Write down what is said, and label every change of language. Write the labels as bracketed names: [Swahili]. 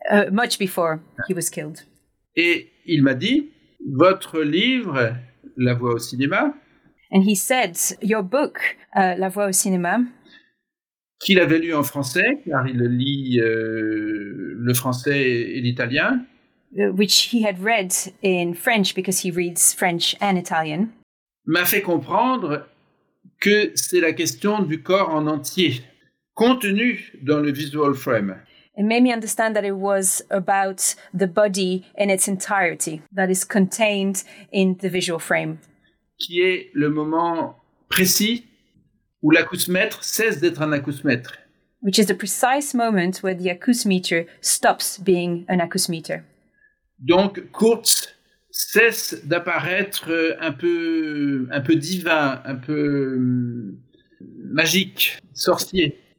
[English] Much before he was killed. [French] Et il m'a dit, votre livre, La Voix au cinéma. [English] And he said, your book, La Voix au cinéma. [French] Qu'il avait lu en français, car il lit le français et l'italien. [English] Which he had read in French, because he reads French and Italian. [French] M'a fait comprendre que c'est la question du corps en entier, contenu dans le [English] visual frame. It made me understand that it was about the body in its entirety, that is contained in the visual frame. [French] Qui est le moment précis où l'acousmètre cesse d'être un acousmètre. [English] Which is the precise moment where the acousmeter stops being an acousmeter. [French] Donc, Kurtz cesse d'apparaître un peu divin, un peu magique, sorcier.